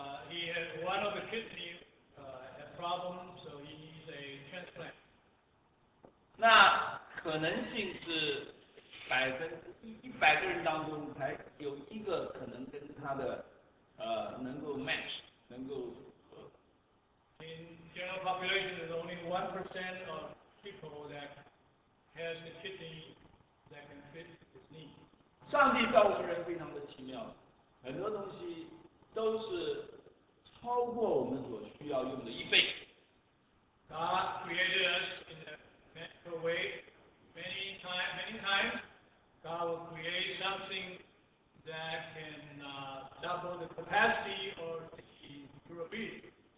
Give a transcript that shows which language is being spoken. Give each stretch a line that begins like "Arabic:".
English: He has one of the kidney had problem, so he needs a transplant.
Chinese: 那可能性是。 100个人当中才有一个可能跟他的能够 match 能够。
English: In general population, there's only 1% of people that has the kidney that can fit its need.
Chinese: 上帝造物人非常的奇妙，很多东西都是超过我们所需要用的一倍。
English: God created us in a natural way. Many times, God will create something that can double the capacity or the durability.